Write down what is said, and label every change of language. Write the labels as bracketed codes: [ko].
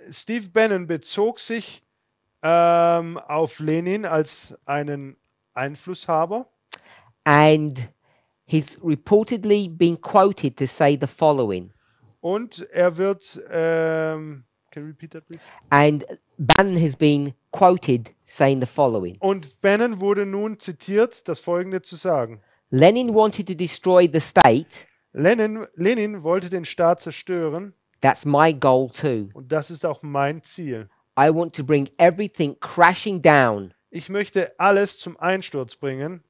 [de] Steve Bannon bezog sich auf Lenin als einen Einflusshaber. [en] And he's reportedly been quoted to say the following. [de] Und er wird, [en] can you repeat that, please? And Bannon has been quoted saying the following. [de] Und Bannon wurde nun zitiert, das Folgende zu sagen. [en] Lenin wanted to destroy the state. [de] Lenin wollte den Staat zerstören. [en] That's my goal too. [de] Und das ist auch mein Ziel. [en] I want to bring everything crashing down. [de] Ich möchte alles zum Einsturz bringen.